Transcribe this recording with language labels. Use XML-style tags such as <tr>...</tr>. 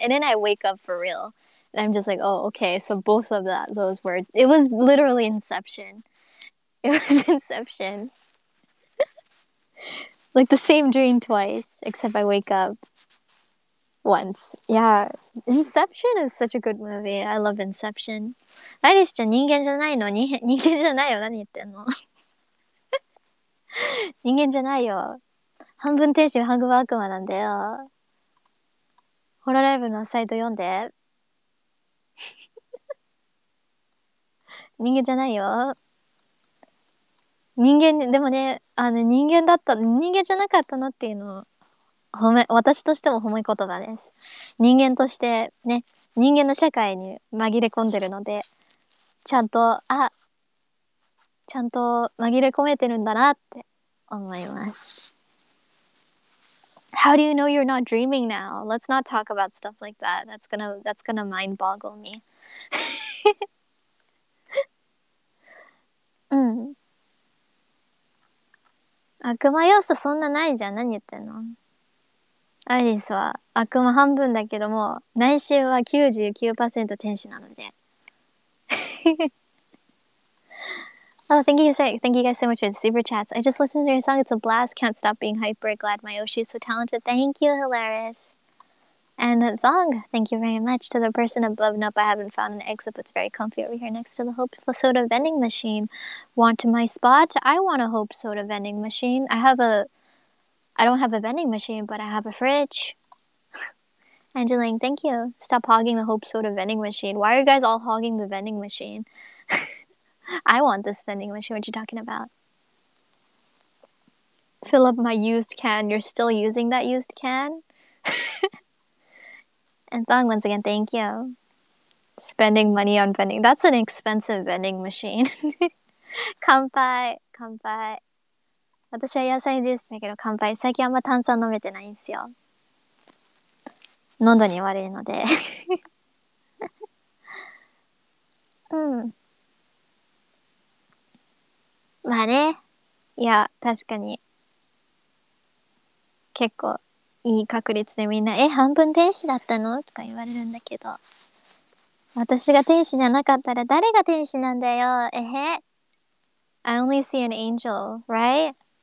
<en>And then I wake up for real. And I'm just like, oh, okay, so both of those were... It was literally Inception. It was Inception. Like, the same dream twice, except I wake up once. Yeah, Inception is such a good movie. I love Inception.</en> <ja>アリスちゃん、人間じゃないの?人間じゃないよ、何言ってんの? 人間じゃないよ。半分天使、半分悪魔なんだよ。ホラーライブのサイト読んで。人間じゃないよ。人間でもね、あの人間だった、人間じゃなかったのっていうのを私としても褒め言葉です。人間としてね、人間の社会に紛れ込んでるので、ちゃんと、あ、ちゃんと紛れ込めてるんだなって思います。</ja> <en>How do you know you're not dreaming now? Let's not talk about stuff like that. That's gonna mind boggle me.</en> <ja>うん、悪魔要素そんなないじゃん、何言ってんの。アイリスは悪魔半分だけども、内心は 99% 天使なので。</ja> <en>Oh, thank you guys so much for the super chats. I just listened to your song. It's a blast. Can't stop being hyper. Glad my Yoshi is so talented. Thank you, Hilaris. And Thong, thank you very much. To the person above, nope, I haven't found an exit, but it's very comfy over here next to the Hope Soda vending machine. Want my spot? I want a Hope Soda vending machine. I don't have a vending machine, but I have a fridge. Angeline, thank you. Stop hogging the Hope Soda vending machine. Why are you guys all hogging the vending machine? I want this vending machine. What are you talking about? Fill up my used can. You're still using that used can? And Thong, once again, thank you. Spending money on vending. That's an expensive vending machine.</en> <ja>乾杯。乾杯。私は野菜ジュースだけど乾杯。最近あんま炭酸飲めてないんですよ。喉に悪いので。まあね。いや、確かに。結構。いい確率でみんな、え、半分天使だったの?とか言われるんだけど、私が天使じゃなかったら誰が天使なんだよ、えへ。</ja> <en>I only see an angel, right?</en>